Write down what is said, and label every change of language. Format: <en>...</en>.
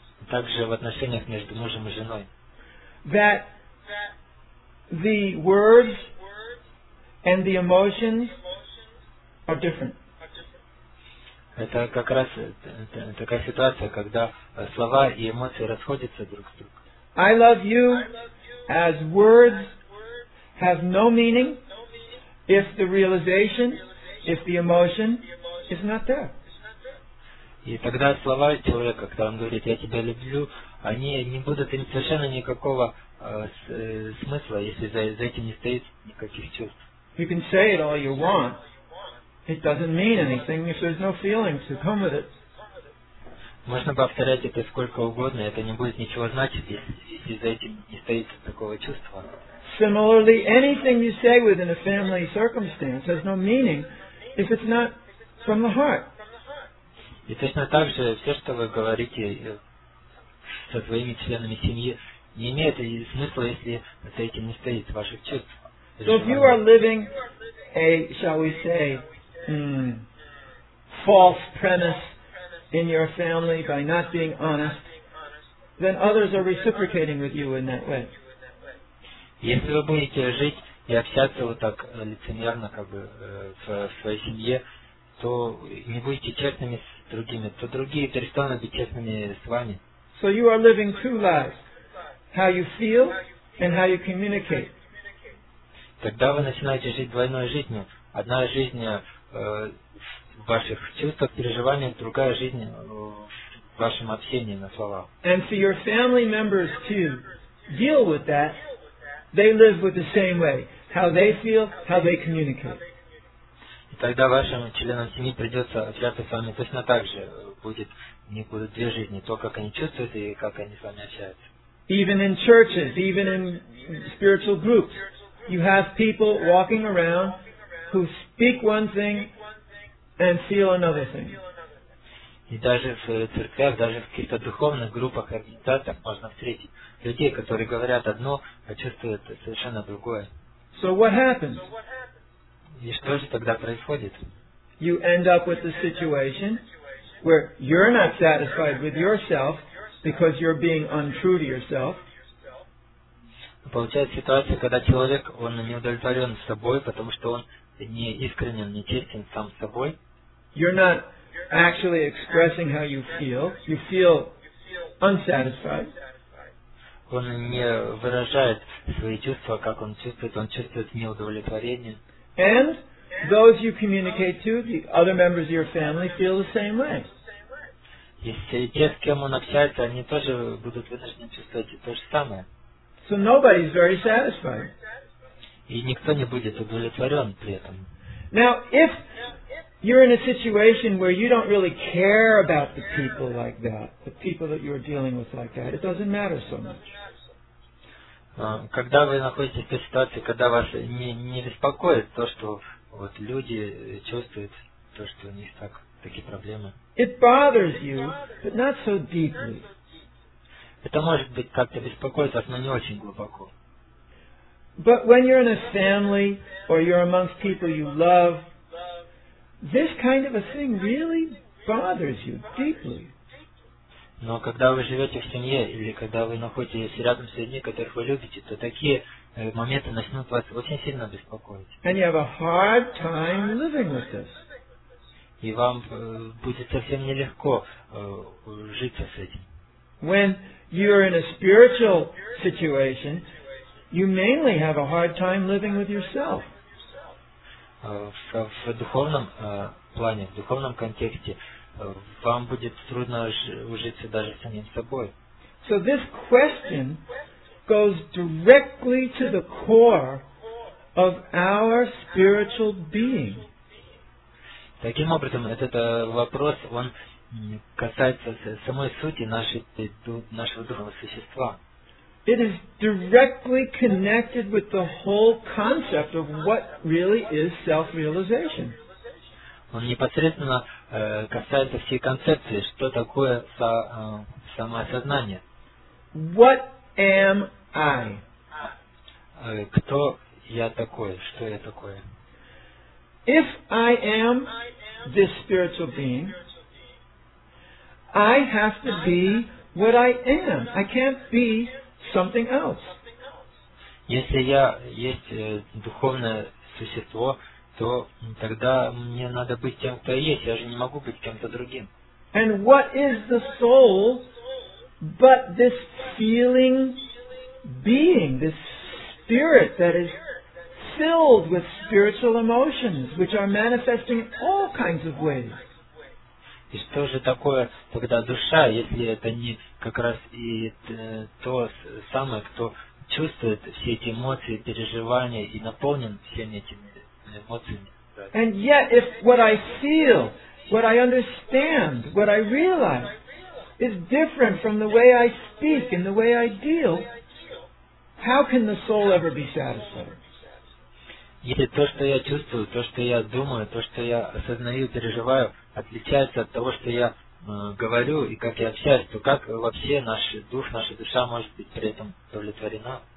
<ru>Также в отношениях между мужем и женой.</ru> <en>That the words and the emotions are different.</en> <ru>Это как раз такая ситуация, когда слова и эмоции расходятся друг с другом.</ru> <en>I love you as words have no meaning if the realization, if the emotion is not there.</en> <ru>И тогда слова человека, когда он говорит «я тебя люблю», они не будут иметь совершенно никакого смысла, если за этим не стоит никаких чувств.</ru> <en>You can say it all you want. It doesn't mean anything if there's no feelings to come with it.</en> <ru>Можно повторять это сколько угодно, это не будет ничего значить, если за этим не стоит такого чувства.</ru> <en>Similarly, anything you say within a family circumstance has no meaning if it's not from the heart.</en> <ru>И точно так же все, что вы говорите со своими членами семьи, не имеет смысла, если за этим не стоит ваших чувств.</ru> <en>So if you are living a, shall we say, false premise in your family by not being honest, then others are reciprocating with you in that way.</en> <ru>Если вы будете жить и общаться вот так лицемерно, как бы в своей семье, то не будете честными с другими, то другие перестанут быть честными с вами.</ru> <en>So you are living two lives: how you feel and how you communicate.</en> <ru>Тогда вы начинаете жить двойной жизнью: одна жизнь в ваших чувствах, переживаниях, другая жизнь в вашем общении на словах.</ru> <en>And for your family members to deal with that, they live with the same way: how they feel, how they communicate.</en> <ru>И тогда вашим членам семьи придется общаться с вами точно так же. Будет, у них будут две жизни: то, как они чувствуют и как они с вами общаются.</ru> <en>Even in churches, even in spiritual groups, you have people walking around who speak one thing and feel another thing.</en> <ru>И даже в церквях, даже в каких-то духовных группах, организациях можно встретить людей, которые говорят одно, а чувствуют совершенно другое.</ru> <en>So what happens?</en> <ru>И что же тогда происходит?</ru> <en>You end up with a situation where you're not satisfied with yourself because you're being untrue to yourself.</en> <ru>Получается ситуация, когда человек, он не удовлетворен собой, потому что он не искренен, не честен сам с собой.</ru> <en>You're not actually expressing how you feel. You feel unsatisfied.</en> <ru>Он не выражает свои чувства, как он чувствует. Он чувствует неудовлетворение.</ru> <en>And those you communicate to, the other members of your family, feel the same way.</en> <ru>Если те, с кем он общается, они тоже будут вынуждены чувствовать то же самое.</ru> <en>So nobody is very satisfied.</en> <ru>И никто не будет удовлетворен при этом.</ru> <en>Now, if you're in a situation where you don't really care about the people like that, the people that you're dealing with like that, it doesn't matter so much.</en> <ru>Когда вы находитесь в той ситуации, когда вас не беспокоит то, что вот люди чувствуют, то, что у них такие проблемы.</ru> <en>It bothers you, but not so deeply.</en> <ru>Это может быть как-то беспокоит вас, но не очень глубоко.</ru> <en>But when you're in a family or you're amongst people you love, this kind of a thing really bothers you deeply.</en> <ru>Но когда вы живете в семье или когда вы находитесь рядом с людьми, которых вы любите, то такие моменты начнут вас очень сильно беспокоить.</ru> <en>And you have a hard time living with this.</en> <ru>И вам будет совсем нелегко жить с этим.</ru> <en>When you're in a spiritual situation, you mainly have a hard time living with yourself.</en> <ru>в духовном плане, в духовном контексте, вам будет трудно ужиться даже самим собой.</ru> <en>So this question goes directly to the core of our spiritual being.</en> <ru>Таким образом, этот вопрос, он касается самой сути нашего духовного существа.</ru> <en>It is directly connected with the whole concept of what really is self-realization.</en> <ru>Он непосредственно касается всей концепции, что такое самоосознание.</ru> <en>What am I?</en> <ru>Кто я такой? Что я такое?</ru> <en>If I am this spiritual being, I have to be what I am. I can't be something else.</en> <ru>Если я есть духовное существо, то тогда мне надо быть тем, кто есть. Я же не могу быть кем-то другим.</ru> <en>And what is the soul but this feeling being, this spirit that is filled with spiritual emotions, which are manifesting in all kinds of ways.</en> <ru>И что же такое тогда душа, если это не как раз и то самое, кто чувствует все эти эмоции, переживания и наполнен всеми этими эмоциями?</ru> <en>And yet, if what I feel, what I understand, what I realize is different from the way I speak and the way I deal, how can the soul ever be satisfied?</en> <ru>Если то, что я чувствую, то, что я думаю, то, что я осознаю, переживаю, отличается от того, что я говорю и как я общаюсь, то как вообще наш дух, наша душа может быть при этом удовлетворена?</ru>